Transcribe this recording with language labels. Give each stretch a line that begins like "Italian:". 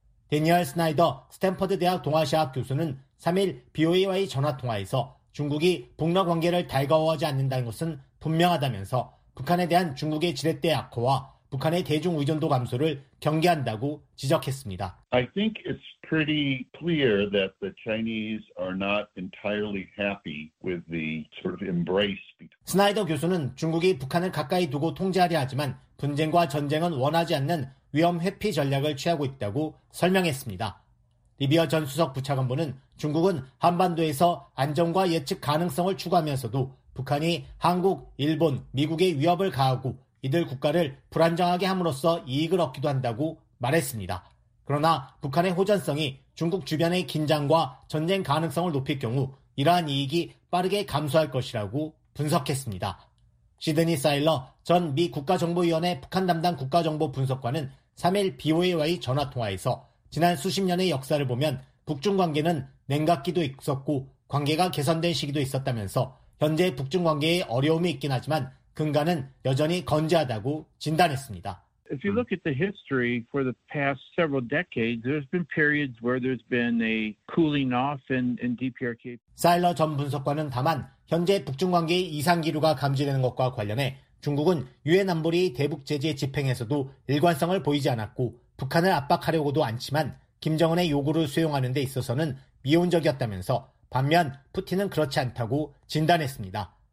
Korean: 대니얼 스나이더 스탠퍼드 대학 동아시아학 교수는 3일 BOA와의 전화통화에서 중국이 북러 관계를 달가워하지 않는다는 것은 분명하다면서 북한에 대한 중국의 지렛대 악화와 북한의 대중 의존도 감소를 경계한다고 지적했습니다.
English: I think it's pretty clear that the Chinese are not entirely happy with the sort of embrace.
Korean: 스나이더 교수는 중국이 북한을 가까이 두고 통제하려 하지만 분쟁과 전쟁은 원하지 않는 위험 회피 전략을 취하고 있다고 설명했습니다. 리비어 전 수석 부차관보는 중국은 한반도에서 안정과 예측 가능성을 추구하면서도 북한이 한국, 일본, 미국에 위협을 가하고 이들 국가를 불안정하게 함으로써 이익을 얻기도 한다고 말했습니다. 그러나 북한의 호전성이 중국 주변의 긴장과 전쟁 가능성을 높일 경우 이러한 이익이 빠르게 감소할 것이라고 분석했습니다. 시드니 사일러 전 미 국가정보위원회 북한 담당 국가정보 분석관은 3일 BOA와의 전화통화에서 지난 수십 년의 역사를 보면 북중 관계는 냉각기도 있었고 관계가 개선된 시기도 있었다면서 현재 북중 관계에 어려움이 있긴 하지만 근간은 여전히 건재하다고 진단했습니다.
English: If you look at the history for the past several decades, there's been periods where there's been a cooling off in DPRK.
Korean: 사일러 전 분석관은 다만 현재 북중 관계의 이상 기류가 감지되는 것과 관련해 중국은 유엔 안보리 대북 제재 집행에서도 일관성을 보이지 않았고 북한을 압박하려고도 않지만 김정은의 요구를 수용하는 데 있어서는 미온적이었다면서 반면 푸틴은 그렇지 않다고 진단했습니다.